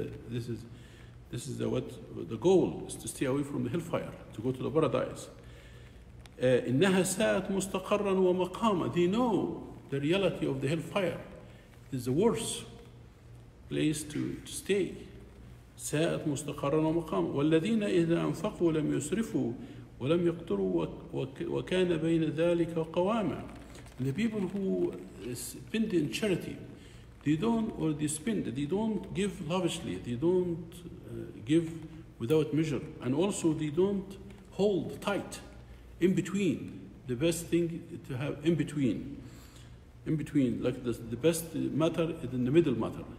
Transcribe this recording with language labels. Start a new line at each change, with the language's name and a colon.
English: This is the goal, is to stay away from the hellfire, to go to the paradise.
Arabic: إنها ساءت مستقرا ومقاما.
English: They know the reality of the hellfire. It is the worst place to stay.
Arabic: ساءت مستقرا ومقاما. والذين إذا أنفقوا لم يسرفوا ولم يقتروا وكان بين ذلك قواما.
English: And the people who spend in charity, they don't give lavishly, they don't give without measure, and also they don't hold tight. In between, the best thing to have in between, like the best matter is in the middle matter.